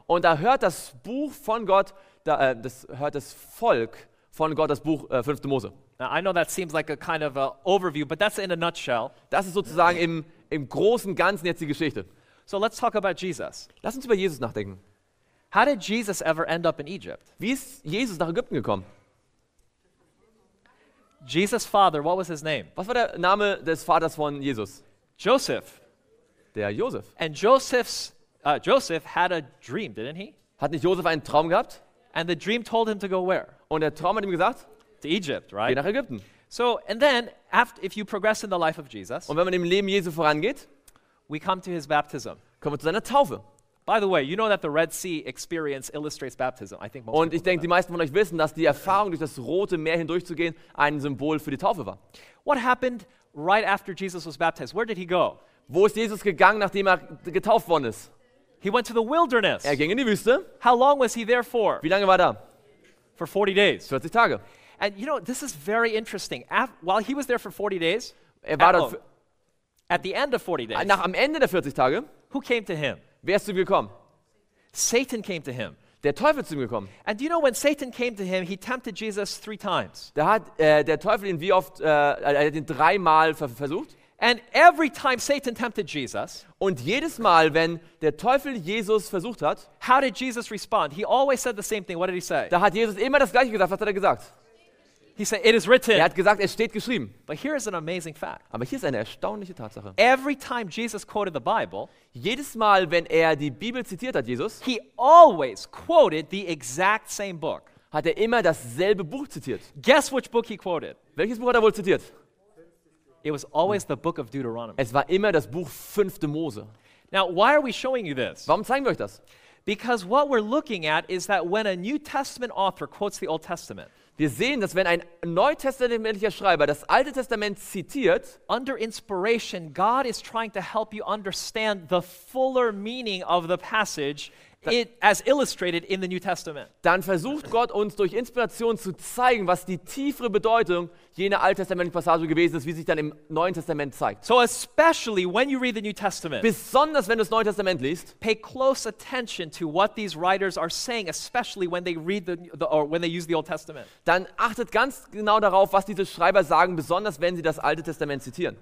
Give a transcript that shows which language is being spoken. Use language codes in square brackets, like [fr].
[de] Und da hört das Buch von Gott, das hört das Volk von Gott das Buch 5. Mose. [en] Now I know that seems like a kind of a overview, but that's in a nutshell. [de] Das ist sozusagen im großen Ganzen jetzt die Geschichte. [en] So let's talk about Jesus. [de] Lass uns über Jesus nachdenken. [en] How did Jesus ever end up in Egypt? [de] Wie ist Jesus nach Ägypten gekommen? [en] Jesus' father, what was his name? [de] Was war der Name des Vaters von Jesus? [en] Joseph. [de] Der Joseph. [en] And Joseph had a dream, didn't he? [de] Hat nicht Joseph einen Traum gehabt? [en] And the dream told him to go where? [de] Und der Traum hat ihm gesagt? [en] To Egypt, right? [de] Geh nach Ägypten. [en] So, and then, after, if you progress in the life of Jesus, [de] und wenn man im Leben Jesu vorangeht, [en] we come to his baptism. [de] Kommen wir zu seiner Taufe. [en] By the way, you know that the Red Sea experience illustrates baptism. I think most. [de] Und ich denke, die meisten von euch wissen, dass die Erfahrung durch das Rote Meer hindurchzugehen ein Symbol für die Taufe war. [en] What happened right after Jesus was baptized? Where did he go? [de] Wo ist Jesus gegangen, nachdem er getauft worden ist? [en] He went to the wilderness. [de] Er ging in die Wüste. [en] How long was he there for? [de] Wie lange war er da? [en] For 40 days. [de] 40 Tage. [en] And you know, this is very interesting. While he was there for 40 days, [de] er war dort [en] at the end of 40 days. [de] Nach am Ende der 40 Tage, [en] who came to him? [de] Wer ist zu ihm gekommen? [en] Satan came to him. [de] Der Teufel ist zu ihm gekommen. [en] And you know, when Satan came to him, he tempted Jesus 3 times. [de] Da hat der Teufel ihn wie oft hat ihn 3-mal versucht. [en] And every time Satan tempted Jesus, [de] und jedes Mal, wenn der Teufel Jesus versucht hat, [en] how did Jesus respond? He always said the same thing. What did he say? [de] Da hat Jesus immer das gleiche gesagt. Was hat er gesagt? [en] He said, "It is written." [de] Er hat gesagt, es steht geschrieben. [en] But here is an amazing fact. [de] Aber hier ist eine erstaunliche Tatsache. [en] Every time Jesus quoted the Bible, [de] jedes Mal, wenn er die Bibel zitiert hat, Jesus, [en] he always quoted the exact same book. [de] Hat er immer dasselbe Buch zitiert? [en] Guess which book he quoted. [de] Welches Buch hat er wohl zitiert? [en] It was always the book of Deuteronomy. [de] Es war immer das Buch 5. Mose. [en] Now, why are we showing you this? [de] Warum zeigen wir euch das? [en] Because what we're looking at is that when a New Testament author quotes the Old Testament, [de] wir sehen, dass wenn ein neutestamentlicher Schreiber das Alte Testament zitiert, [en] under inspiration, God is trying to help you understand the fuller meaning of the passage as illustrated in the New Testament. [de] Dann versucht Gott uns durch Inspiration zu zeigen, was die tiefere Bedeutung jener alttestamentlichen Passage gewesen ist, wie sich dann im Neuen Testament zeigt. [en] So especially when you read the New Testament. [de] Besonders wenn du das Neue Testament liest. [en] Pay close attention to what these writers are saying, especially when they read when they use the Old Testament. [de] Dann achtet ganz genau darauf, was diese Schreiber sagen, besonders wenn sie das Alte Testament zitieren.